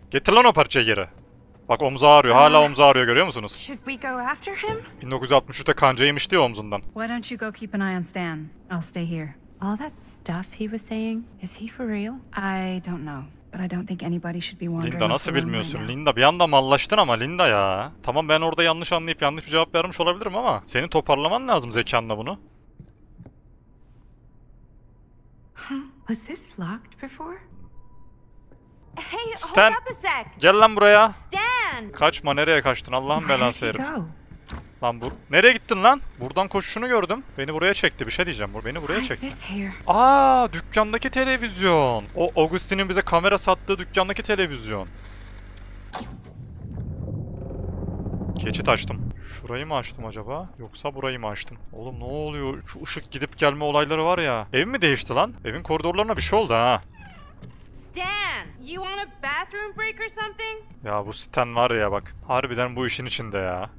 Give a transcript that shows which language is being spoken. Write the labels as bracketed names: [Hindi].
[Turkish] Getir lan o parçayı geri. Bak omzu ağrıyor. Hala omzu ağrıyor görüyor musunuz? 1963'te kanca yemişti ya omzundan. [English] Why don't you go keep an eye on Stan? I'll stay here. All that stuff he was saying, is he for real? I don't know, but I don't think anybody should be wondering. [Turkish] Linda nasıl bilmiyorsun? Linda bir anda mallaştın ama Linda ya. Tamam ben orada yanlış anlayıp yanlış bir cevap vermiş olabilirim ama senin toparlaman lazım zekanla bunu. [English] Was this locked before? Hey, Stan, hold up a sec. [Turkish] Gel lan buraya. Stan. Kaçma nereye kaçtın Allah'ın belası herif. [English] Go? [Turkish] Lan bu nereye gittin lan? Buradan koşuşunu gördüm. Beni buraya çekti. Bir şey diyeceğim. Beni buraya çekti. Aa, dükkandaki televizyon. O Augustine'in bize kamera sattığı dükkandaki televizyon. Keçi açtım. Şurayı mı açtım acaba? Yoksa burayı mı açtım? Oğlum ne oluyor? Şu ışık gidip gelme olayları var ya. Ev mi değişti lan? Evin koridorlarına bir şey oldu ha. [English] Stan, you want a bathroom break or something? [Turkish] Ya bu Stan var ya bak, harbiden bu işin içinde ya.